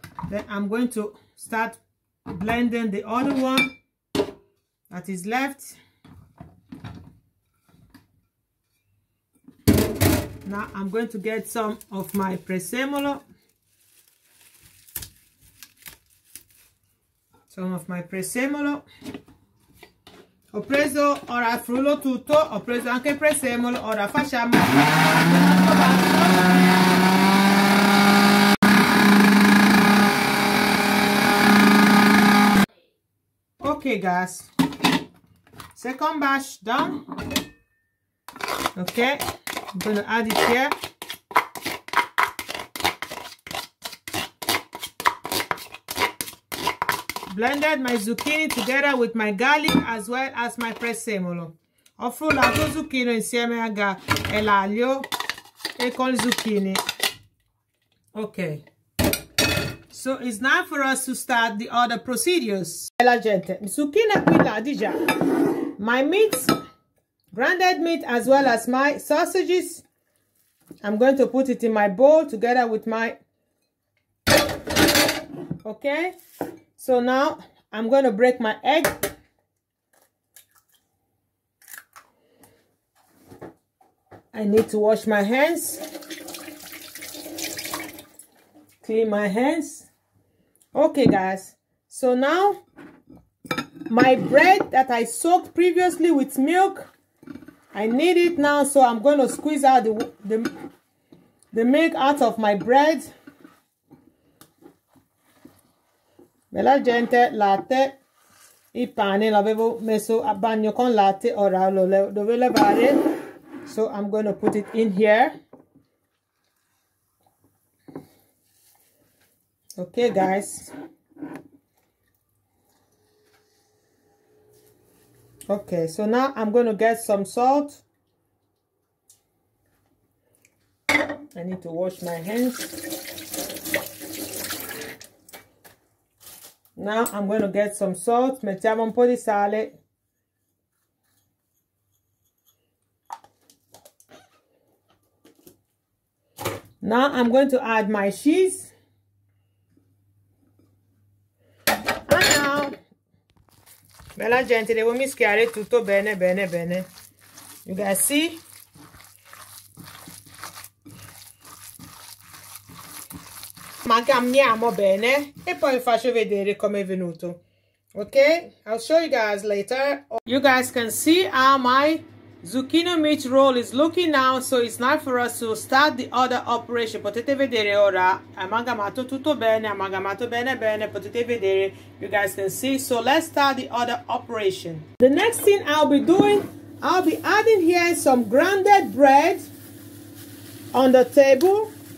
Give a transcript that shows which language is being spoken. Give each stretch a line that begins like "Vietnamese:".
English: Then I'm going to start blending the other one that is left. Now I'm going to get some of my prezzemolo.
Italian: Ho preso, ora frullo tutto, ho preso anche il prezzemolo, ora facciamo.
English: Ok guys, second batch done. Ok, I'm gonna add it here. Blended my zucchini together with my garlic as well as my prezzemolo.
Italian: Ho frullato il zucchino insieme all'aglio e con il zucchini.
English: Ok. So it's now for us to start the other procedures.
Italian: Bella gente, zucchini qui là di già.
English: My meat, grounded meat as well as my sausages. I'm going to put it in my bowl together with my... Ok. So now I'm going to break my egg. I need to wash my hands. Clean my hands. Okay, guys. So now my bread that I soaked previously with milk, I need it now. So I'm going to squeeze out the milk out of my bread.
Italian: Bella gente, latte, il pane l'avevo messo a bagno con latte, ora lo devo levare.
English: So I'm going to put it in here. Okay guys. Okay, so now I'm going to get some salt. I need to wash my hands. Now I'm going to get some salt.
Italian: Mettiamo un po' di sale.
English: Now I'm going to add my cheese. And now
Italian: Bella gente, devo mischiare tutto bene, bene, bene.
English: You guys see?
Italian: Amalgamiamo bene e poi faccio vedere come è venuto.
English: Okay, I'll show you guys later. You guys can see how my zucchini meat roll is looking now, so it's time for us to start the other operation.
Italian: Potete vedere ora, amalgamato tutto bene, amalgamato bene bene, potete vedere,
English: you guys can see. So let's start the other operation. The next thing I'll be doing, I'll be adding here some grounded bread on the table.